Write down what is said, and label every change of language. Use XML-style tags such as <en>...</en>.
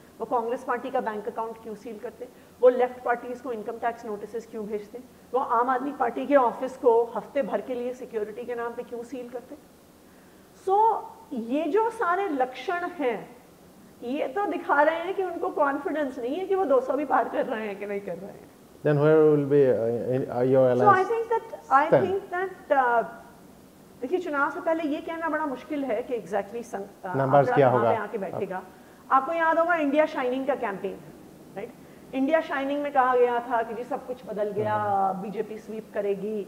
<hi>वो कांग्रेस पार्टी का bank account क्यों सील करते? वो लेफ्ट पार्टीज को इनकम टैक्स नोटिसेस क्यों भेजते? वो आम आदमी पार्टी के ऑफिस को हफ्ते भर के लिए सिक्योरिटी के नाम पे क्यों सील करते? सो ये जो सारे लक्षण हैं ये तो दिखा रहे हैं कि उनको कॉन्फिडेंस नहीं है कि वो 200 भी पार कर रहे हैं कि नहीं कर रहे हैं।</hi> <en>Then where will be your allies? So I think that</en> <hi>देखिए चुनाव से पहले ये कहना बड़ा मुश्किल है कि</hi> <en>exactly</en> <hi>numbers क्या होगा, आके बैठेगा। आपको याद होगा इंडिया शाइनिंग का कैंपेन, राइट? इंडिया शाइनिंग में कहा गया था कि जी सब कुछ बदल गया, बीजेपी स्वीप करेगी,</hi>